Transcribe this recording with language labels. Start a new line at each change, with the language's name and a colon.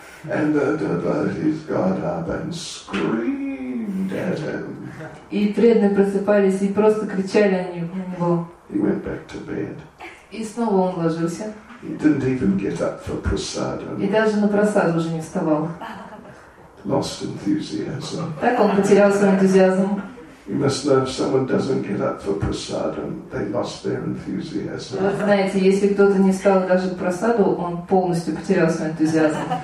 English: And the devotees got up and screamed at him.
Russian: И преданные просыпались и просто кричали на него.
English: He went back to bed.
Russian: И снова он ложился.
English: He didn't even get up for prasadam.
Russian: И даже на прасаду уже не вставал.
English: Lost enthusiasm.
Russian: Так он потерял свой энтузиазм.
English: You must know if someone doesn't get up for prasadam, they lost their enthusiasm.
Russian: Вы знаете, если кто-то не встал даже к прасаду, он полностью потерял свой энтузиазм.